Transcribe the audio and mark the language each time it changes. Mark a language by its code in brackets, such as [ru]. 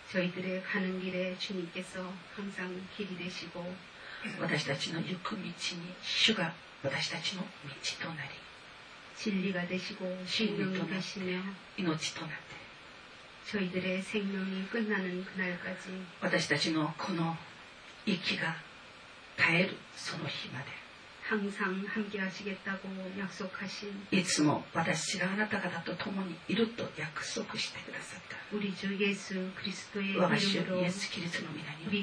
[ko] 저희들의가는길에주님께서항상길이되시고 [ja] 私たちの行く道に主が私たちの道となり [ko] 진리가되시고진리가되시며 [ja] 命となって [ko] 저희들의생명이끝나는그날까지 [ja] 私たちのこの息が絶えるその日まで [ko] 항상함께하시겠다고약속하신 [ja] いつも私があなた方と共にいると約束してくださった [ko] 우리주예수그리스도의이름으로 [ja] 我が主イエスキリストの御名によ